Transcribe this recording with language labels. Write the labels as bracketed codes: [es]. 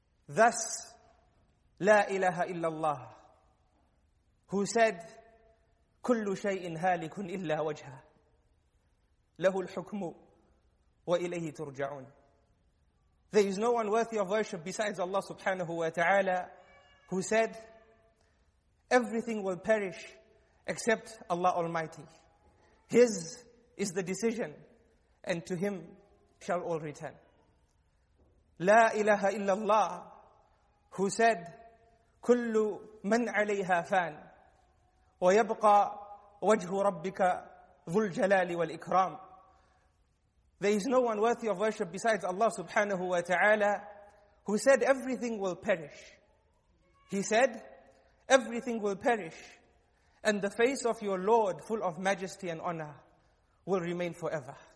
[en] Thus, [ar] لا إله إلا الله, [en] who said, [ar] كل شيء هالك إلا وجهه له الحكم وإليه ترجعون. [en] There is no one worthy of worship besides Allah subhanahu wa ta'ala, who said, everything will perish except Allah Almighty. His is the decision, and to Him shall all return. [ar] لا إله إلا الله, [en] who said, [ar] كل من عليها فان ويبقى وجه ربك ذو الجلال والإكرام. [en] There is no one worthy of worship besides Allah subhanahu wa ta'ala, who said everything will perish. He said, everything will perish, and the face of your Lord, full of majesty and honor, will remain forever.